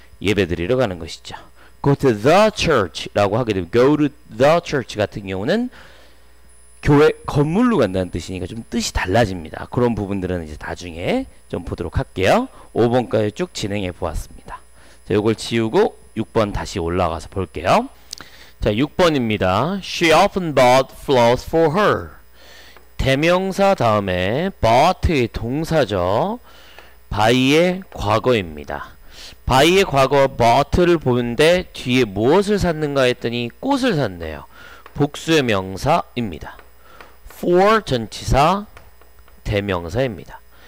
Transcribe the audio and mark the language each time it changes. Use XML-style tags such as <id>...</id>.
<ko>예배드리러 가는 것이죠.</ko> <en>Go to the church</en> <ko>라고 하게 되면 Go to the church 같은 경우는 교회 건물로 간다는 뜻이니까 좀 뜻이 달라집니다. 그런 부분들은 이제 나중에 좀 보도록 할게요. 5번까지 쭉 진행해 보았습니다. 자, 이걸 지우고 6번 다시 올라가서 볼게요. 자, 6번입니다.</ko> <en>She often bought flowers for her.</en> <ko>대명사 다음에 bought의 동사죠. by의 과거입니다. by의 과거 bought를 보는데 뒤에 무엇을 샀는가 했더니 꽃을 샀네요. 복수의 명사입니다. for 전치사 대명사입니다.</ko>